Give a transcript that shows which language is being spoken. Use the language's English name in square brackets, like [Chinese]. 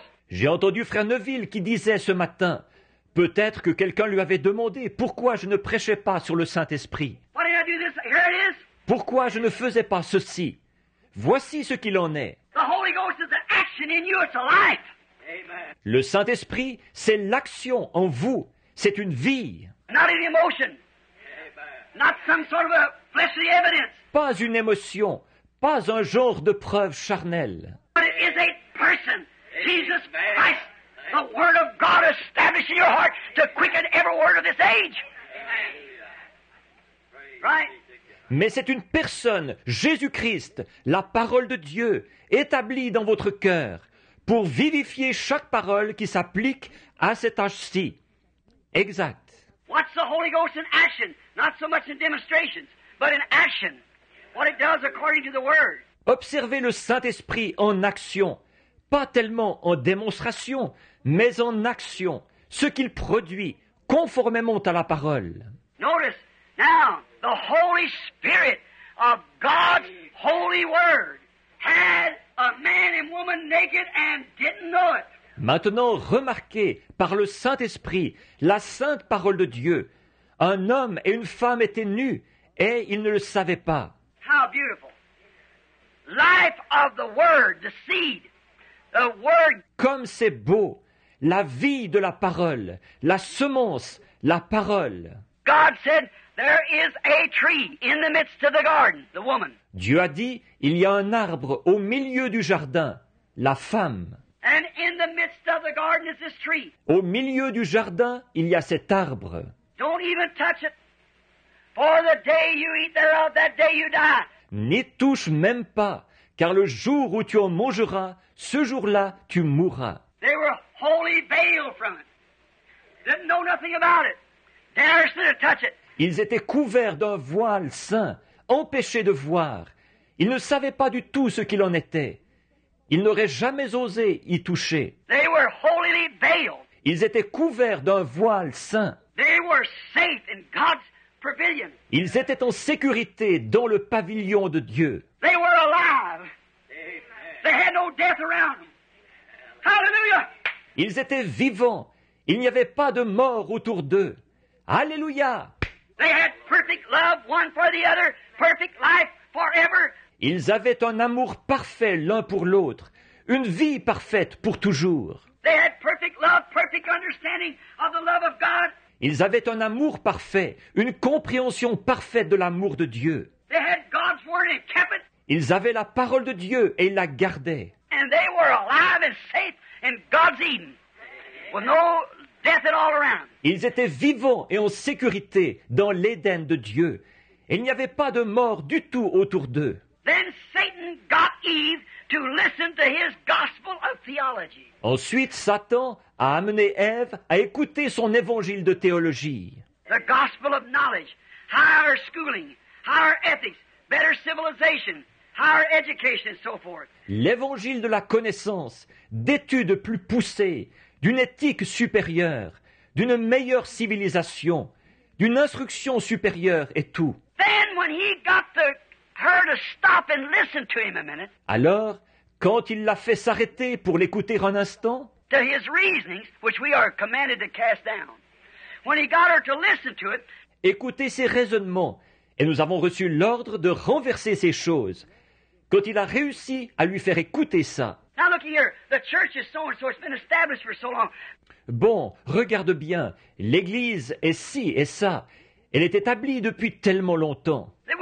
[French] J'ai entendu Frère Neville qui disait ce matin, peut-être que quelqu'un lui avait demandé pourquoi je ne prêchais pas sur le Saint-Esprit. [English] Why didn't I do this? Here it is. [French] Pourquoi je ne faisais pas ceci? Voici ce qu'il en est. [English] The Holy Ghost is the action in you, it's a life. [French] Le Saint-Esprit, c'est l'action en vous. C'est une vie. [English] Not an emotion. Not some sort of a fleshly evidence. [French] Pas une émotion. Pas un genre de preuve charnelle. [English] But it is a person. Jesus Christ, the word of God established in your heart to quicken every word of this age. Right? [French] Mais c'est une personne, Jésus-Christ, la parole de Dieu, établie dans votre cœur, pour vivifier chaque parole qui s'applique à cet âge-ci. Exact. [English] What's the Holy Ghost in action? Not so much in demonstrations, but in action. What it does according to the Word. [French] Observez le Saint-Esprit en action. Pas tellement en démonstration, mais en action. Ce qu'il produit, conformément à la parole. [English] Notice, now, the Holy Spirit of God's Holy Word had a man and woman naked and didn't know it. [French] Maintenant, remarquez, par le Saint-Esprit, la sainte parole de Dieu, un homme et une femme étaient nus, et ils ne le savaient pas. [English] How beautiful. Life of the Word, the seed, the Word. [French] Comme c'est beau, la vie de la parole, la semence, la parole. [English] God said, There is a tree in the midst of the garden, the woman. [French] Dieu a dit, il y a un arbre au milieu du jardin, la femme. [English] And in the midst of the garden is this tree. [French] Au milieu du jardin, il y a cet arbre. [English] Don't even touch it. For the day you eat thereof, that day you die. [French] N'y touche même pas, car le jour où tu en mangeras, ce jour-là, tu mourras. [English] They were wholly veiled from it. Didn't know nothing about it. Dares to touch it. [French] Ils étaient couverts d'un voile saint, empêchés de voir. Ils ne savaient pas du tout ce qu'il en était. Ils n'auraient jamais osé y toucher. [English] They were wholly veiled. [French] Ils étaient couverts d'un voile saint. [English] They were safe in God's pavilion. [French] Ils étaient en sécurité dans le pavillon de Dieu. [English] They were alive. They had no death around them. Hallelujah. [French] Ils étaient vivants. Il n'y avait pas de mort autour d'eux. Alléluia. [English] They had perfect love one for the other, perfect life forever. [French] Ils avaient un amour parfait l'un pour l'autre, une vie parfaite pour toujours. [English] They had perfect love, perfect understanding of the love of God. [French] Ils avaient un amour parfait, une compréhension parfaite de l'amour de Dieu. [English] They had God's word and kept it. [French] Ils avaient la parole de Dieu et ils la gardaient. [English] And they were alive and safe in God's Eden. With no death at all around. [French] Ils étaient vivants et en sécurité dans l'Éden de Dieu. Il n'y avait pas de mort du tout autour d'eux. [English] Then Satan got Eve to listen to his gospel of theology. [French] Ensuite, Satan a amené Ève à écouter son évangile de théologie. [English] The gospel of knowledge, higher schooling, higher ethics, better civilization, higher education, and so forth. [French] L'évangile de la connaissance, d'études plus poussées, d'une éthique supérieure, d'une meilleure civilisation, d'une instruction supérieure et tout. [English] Then when he got her to stop and listen to him a minute. [French] Alors, quand il l'a fait s'arrêter pour l'écouter un instant, [English] to his reasonings, which we are commanded to cast down, when he got her to listen to it, [French] écouter ses raisonnements, et nous avons reçu l'ordre de renverser ces choses, quand il a réussi à lui faire écouter ça. [English] Now look here, the church is so and so, it's been established for so long. [French] Bon, regarde bien, l'église est ci et ça, elle est établie depuis tellement longtemps.